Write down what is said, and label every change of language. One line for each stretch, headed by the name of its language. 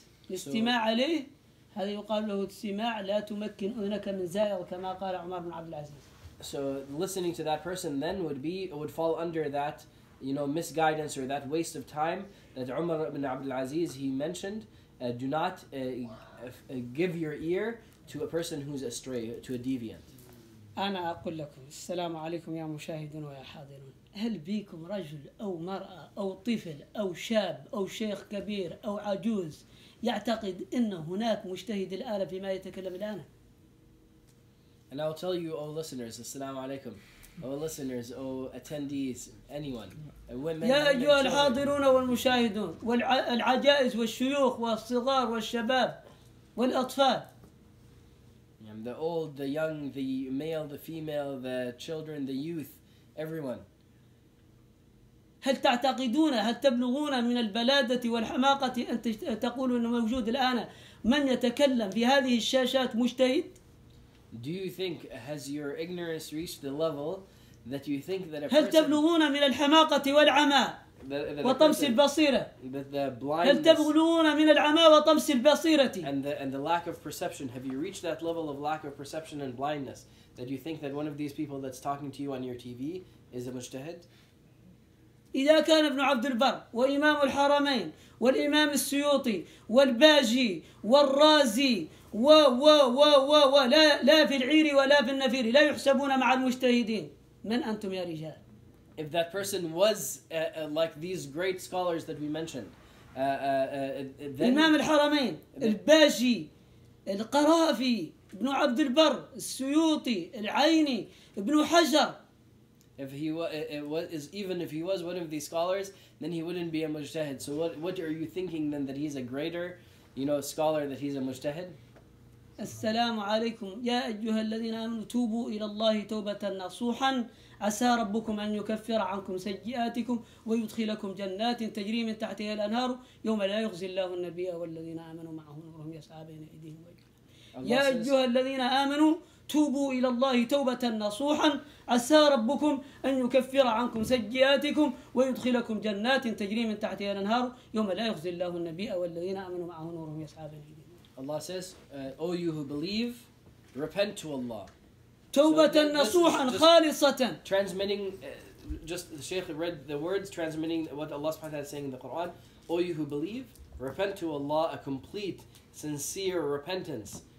Arabic: الاستماع عليه هذا يقال له استماع لا تمكن أذنك من زائر كما قال عمر بن عبد العزيز.
English: So listening to that person then would fall under that, you know, misguidance or that waste of time that Umar ibn Abd al-Aziz he mentioned. Do not give your ear to a person who's astray, to a deviant.
Arabic: أنا أقول لكم السلام عليكم يا مشاهدون ويا حاضرون. هل بيكم رجل أو مرأة أو طفل أو شاب أو شيخ كبير أو عجوز يعتقد أن هناك مجتهد الآن فيما يتكلم الآن.
English: And I'll tell you, oh listeners, assalamu alaikum. Oh listeners, oh attendees, anyone. Women,
Arabic: يا أيها الحاضرون والمشاهدون والعجائز والشيوخ والصغار والشباب والأطفال.
English: And the old, the young, the male, the female, the children, the youth, everyone.
Arabic: هل تعتقدون هل تبلغون من البلادة والحماقة أن تقولوا أنه موجود الآن من يتكلم في هذه الشاشات مجتهد؟
English: Do you think has your ignorance reached the level that you think that a person
Arabic: هل تبلغون من الحماقة والعمى وطمس البصيرة؟ هل تبلغون من العمى وطمس البصيرة؟
English: And the lack of perception, have you reached that level of lack of perception and blindness that you think that one of these people that's talking to you on your TV is a mujtahid?
Arabic: إذا كان ابن عبد البر وإمام الحرمين والإمام السيوطي والباجي والرازي و و و و, و لا في العير ولا في النفير لا يحسبون مع المجتهدين من أنتم يا رجال؟
English: If that person was like these great scholars that we mentioned, then
Arabic: إمام الحرمين الباجي القرافي ابن عبد البر السيوطي العيني ابن حجر
English: If he was, even if he was one of these scholars, then he wouldn't be a mujtahid. So what are you thinking then, that he's a greater, you know, scholar, that he's a mujtahid?
Arabic: As-salamu alaykum. Ya ayyuhal ladhina amnu tubu ila Allahi tawbatan nasuhan. Asa rabbukum an yukaffira ankum sayyiatikum wa yudkhilakum jannatin tajri min tahtiha al-anharu yawma la yughzi Allahu an-nabiyya wal ladhina amanu ma'ahum nuruhum yas'a bayna aydihim wa ayyuhal. Ya ayyuhal ladhina amanu. توبوا إلى الله توبة نصوحا عسى ربكم أن يكفر عنكم سيئاتكم ويدخلكم جنات تجري من تحتها الأنهار يوم لا يخزي الله النبي والذين آمنوا معه نورهم يسعى بين أيديهم.
English: Allah says, O you who believe, repent to Allah.
Arabic: توبة نصوحا خالصة.
English: Transmitting, just the Shaykh read the words, transmitting what Allah subhanahu wa ta'ala is saying in the Quran. O you who believe, repent to Allah, a complete, sincere repentance.